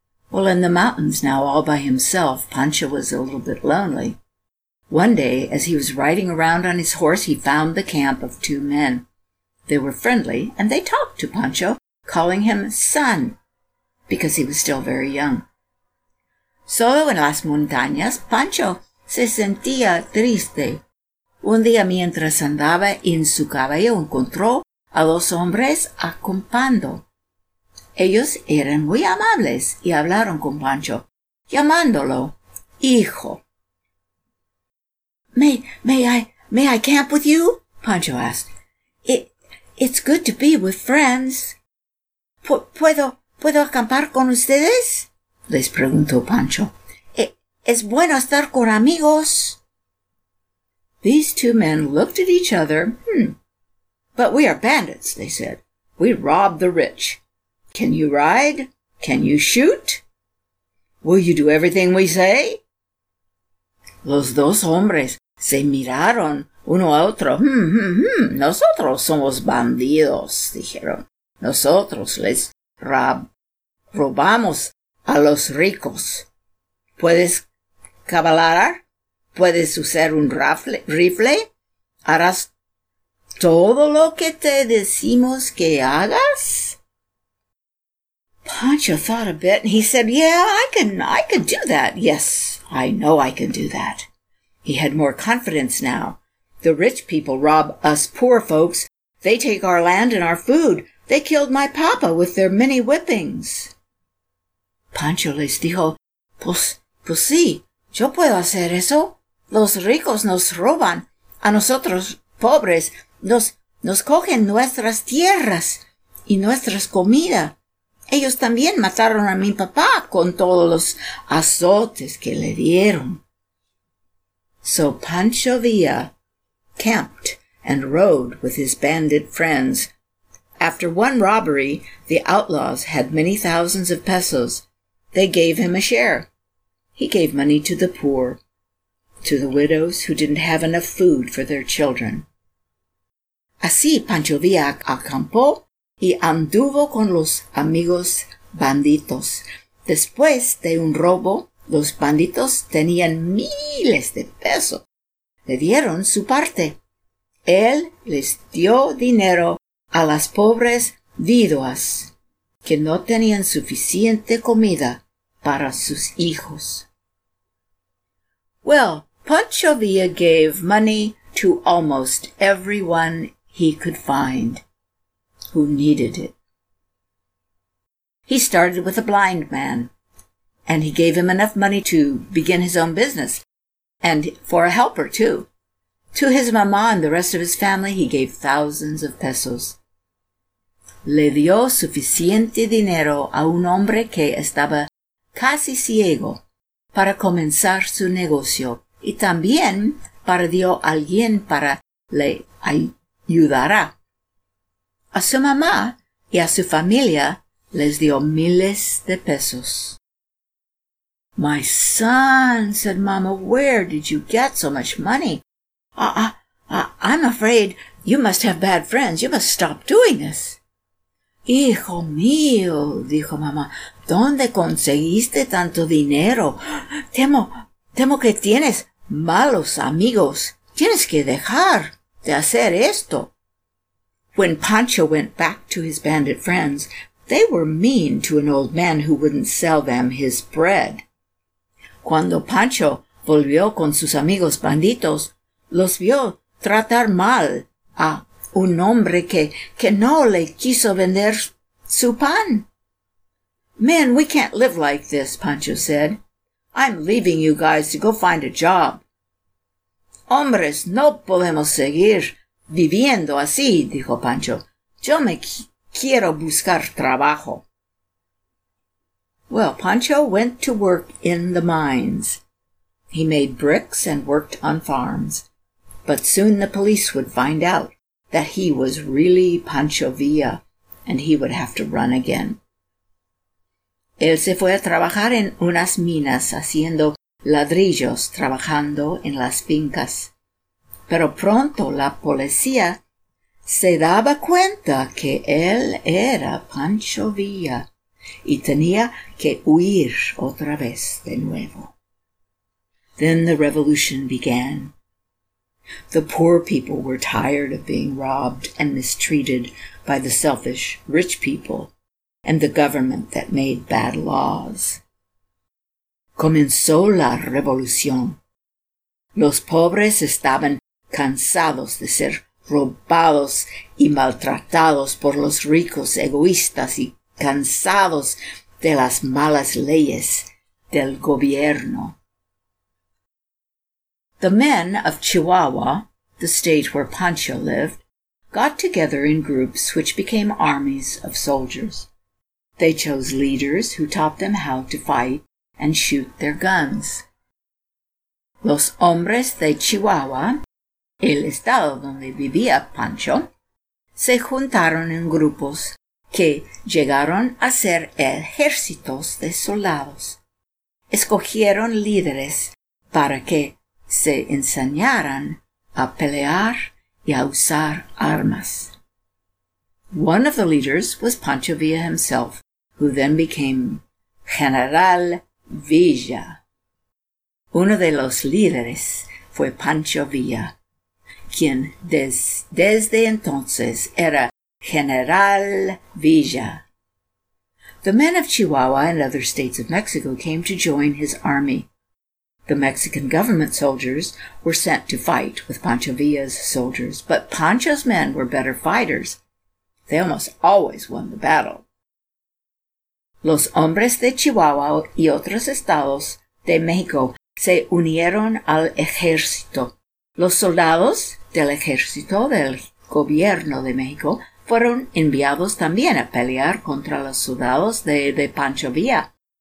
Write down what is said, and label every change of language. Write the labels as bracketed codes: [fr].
[en] Well, in the mountains now, all by himself, Pancho was a little bit lonely. One day, as he was riding around on his horse, he found the camp of two men. They were friendly, and they talked to Pancho, calling him son, because he was still very young. [es] Solo en las montañas, Pancho se sentía triste. Un día, mientras andaba en su caballo, encontró a dos hombres acampando. Ellos eran muy amables y hablaron con Pancho, llamándolo hijo. [en] May I camp with you? Pancho asked. It's good to be with friends. [es] ¿Puedo acampar con ustedes? Les preguntó Pancho. Es bueno estar con amigos. [en] These two men looked at each other. But we are bandits, they said. We rob the rich. Can you ride? Can you shoot? Will you do everything we say? [es] Los dos hombres se miraron uno a otro. Nosotros somos bandidos, dijeron. Nosotros les robamos a los ricos. ¿Puedes cabalgar? ¿Puedes usar un rifle? ¿Harás todo lo que te decimos que hagas? [en] Pancho thought a bit, and he said, yeah, I can do that. Yes, I know I can do that. He had more confidence now. The rich people rob us poor folks. They take our land and our food. They killed my papa with their many whippings. [es] Pancho les dijo, pues sí, yo puedo hacer eso. Los ricos nos roban. A nosotros, pobres, nos cogen nuestras tierras y nuestras comida. Ellos también mataron a mi papá con todos los azotes que le dieron. [en] So Pancho Villa camped and rode with his bandit friends. After one robbery, the outlaws had many thousands of pesos. They gave him a share. He gave money to the poor, to the widows who didn't have enough food for their children. [es] Así Pancho Villa acampó y anduvo con los amigos banditos. Después de un robo, los banditos tenían miles de pesos. Le dieron su parte. Él les dio dinero a las pobres viudas que no tenían suficiente comida para sus hijos. [en] Well, Pancho Villa gave money to almost everyone he could find who needed it. He started with a blind man, and he gave him enough money to begin his own business, and for a helper, too. To his mama and the rest of his family, he gave thousands of pesos. [es] Le dio suficiente dinero a un hombre que estaba casi ciego para comenzar su negocio, y también para dio a alguien para le ayudará. A su mamá y a su familia les dio miles de pesos. [en] My son, said Mama, where did you get so much money? I'm afraid you must have bad friends. You must stop doing this. [es] Hijo mío, dijo Mama, ¿dónde conseguiste tanto dinero? Temo que tienes malos amigos. Tienes que dejar de hacer esto. [en] When Pancho went back to his bandit friends, they were mean to an old man who wouldn't sell them his bread. [es] Cuando Pancho volvió con sus amigos banditos, los vio tratar mal a un hombre que no le quiso vender su pan. [en] Man, we can't live like this, Pancho said. I'm leaving you guys to go find a job. [es] Hombres, no podemos seguir viviendo así, dijo Pancho. Yo me quiero buscar trabajo. [en] Well, Pancho went to work in the mines. He made bricks and worked on farms. But soon the police would find out that he was really Pancho Villa, and he would have to run again. [es] Él se fue a trabajar en unas minas haciendo ladrillos, trabajando en las fincas. Pero pronto la policía se daba cuenta que él era Pancho Villa y tenía que huir otra vez de nuevo. [en] Then the revolution began. The poor people were tired of being robbed and mistreated by the selfish rich people and the government that made bad laws. [es] Comenzó la revolución. Los pobres estaban cansados de ser robados y maltratados por los ricos egoístas y cansados de las malas leyes del gobierno. [en] The men of Chihuahua, the state where Pancho lived, got together in groups which became armies of soldiers. They chose leaders who taught them how to fight and shoot their guns. [es] Los hombres de Chihuahua, el estado donde vivía Pancho, se juntaron en grupos que llegaron a ser ejércitos de soldados. Escogieron líderes para que se enseñaran a pelear y a usar armas. [en] One of the leaders was Pancho Villa himself, who then became General Villa. [es] Uno de los líderes fue Pancho Villa, quien desde entonces era General Villa. [en] The men of Chihuahua and other states of Mexico came to join his army. The Mexican government soldiers were sent to fight with Pancho Villa's soldiers, but Pancho's men were better fighters. They almost always won the battle. [es] Los hombres de Chihuahua y otros estados de México se unieron al ejército. Los soldados del ejército del gobierno de México fueron enviados también a pelear contra los soldados de Pancho Villa.